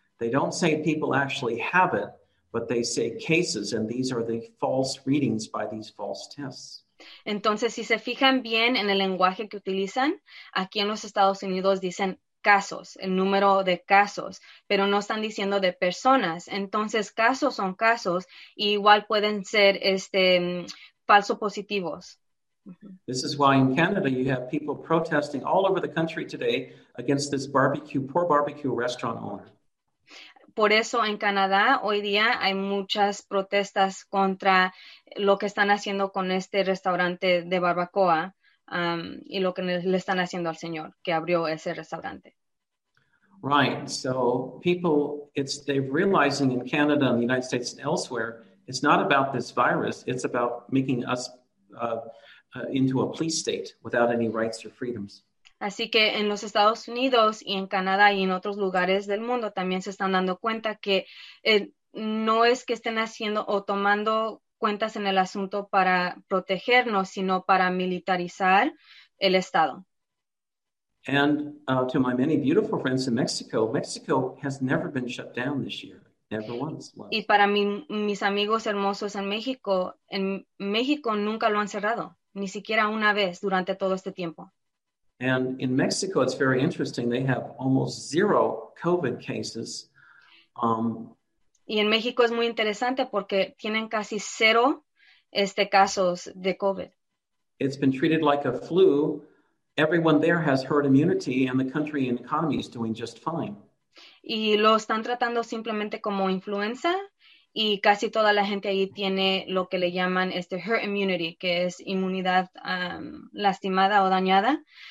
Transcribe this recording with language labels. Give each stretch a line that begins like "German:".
English: They don't say people actually have it, but they say cases, and these are the false readings by these false tests.
Spanish: Entonces, si se fijan bien en el lenguaje que utilizan, aquí en los Estados Unidos dicen casos, el número de casos, pero no están diciendo de personas. Entonces, casos son casos, y igual pueden ser falso positivos.
English: This is why in Canada you have people protesting all over the country today against this poor barbecue restaurant owner.
Spanish: Por eso en Canadá hoy día hay muchas protestas contra lo que están haciendo con este restaurante de barbacoa y lo que le están haciendo al señor que abrió ese restaurante.
English: Right. So people, they're realizing in Canada and the United States and elsewhere, it's not about this virus. It's about making us into a police state without any rights or freedoms.
Spanish: Así que en los Estados Unidos y en Canadá y en otros lugares del mundo también se están dando cuenta que no es que estén haciendo o tomando cuentas en el asunto para protegernos, sino para militarizar el Estado.
English: And to my many beautiful friends in Mexico, Mexico has never been shut down this year, never once.
Spanish: Y para mis amigos hermosos en México nunca lo han cerrado, ni siquiera una vez durante todo este tiempo.
English: And in Mexico, it's very interesting. They have almost zero COVID cases.
Spanish: Y en México es muy interesante porque tienen casi cero casos de COVID.
English: It's been treated like a flu. Everyone there has herd immunity and the country and economy is doing just fine.
Spanish: Y lo están tratando simplemente como influenza y casi toda la gente ahí tiene lo que le llaman
English: herd immunity,
Spanish: que es inmunidad lastimada o dañada.